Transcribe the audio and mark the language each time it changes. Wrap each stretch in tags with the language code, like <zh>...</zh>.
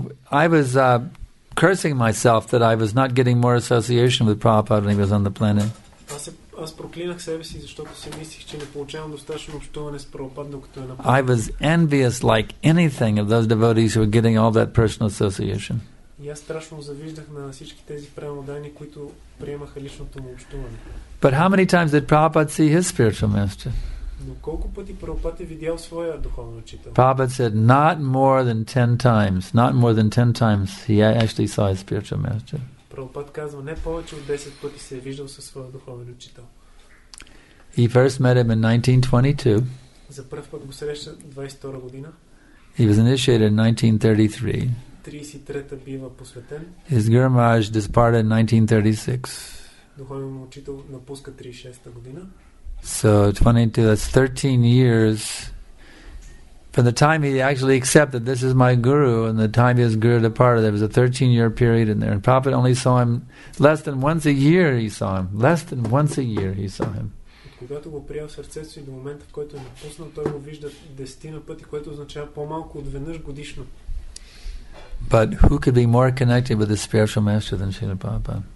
<en>I was cursing myself that I was not getting more association with Prabhupada when he was on the planet.</en> <bg>Аз проклинах себе си, защото си мислих, че не получавам достатъчно общуване с Прабхупада, докато е на.</bg> <en>I was envious like anything of those devotees who were getting all that personal association.</en> <bg>И аз страшно завиждах на всички тези преводани, които приемаха личното му общуване.</bg> <en>But how many times did Prabhupada see his spiritual master?</en> <bg>Но колко пъти Прабхупада е видял своя духовен учител?</bg> <en>Prabhupada said not more than 10 times, not more than 10 times he actually saw his spiritual master.</en> <bg>Прабхупада казва не повече от 10 пъти се е виждал със своя духовен учител.</bg> <en>He first met him in 1922.</en> <bg>За пръв път го среща 22-а година.</bg> <en>He was initiated in 1933.</en> <bg>33-та бива посветен.</bg> <en>His Guru Maharaj departed in 1936.</en> <bg>Духовен му учител напуска 36-та година.</bg> <en>So 22, that's 13 years from the time he actually accepted this is my guru and the time his guru departed. There was a 13 year period in there, and Prabhupada only saw him less than once a year. He saw him less than once a year. He saw him.</en> <bg>Когато го приел сърцето си до момента, в който е напуснал, той го вижда десетина пъти, което означава по-малко от веднъж годишно.</bg> <en>But who could be more connected with the spiritual master than Srila Prabhupada?</en>